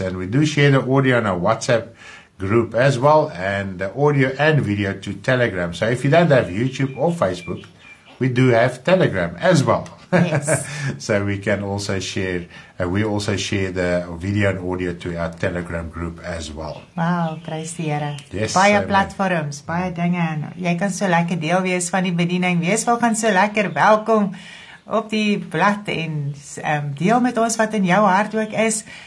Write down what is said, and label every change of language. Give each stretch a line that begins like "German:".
English: And we do share the audio on our WhatsApp group as well, and the audio and video to Telegram. So if you don't have YouTube or Facebook, we do have Telegram as well. Yes. So we can also share, we also share the video and audio to our Telegram group as well. Wow, praise the Here. Yes.
Afrikaans: Baie platforms, baie dinge. En jy kan so lekker deel wees van die bediening. Wees wel gaan so lekker welkom op die blad en deel met ons wat in jou hart ook is.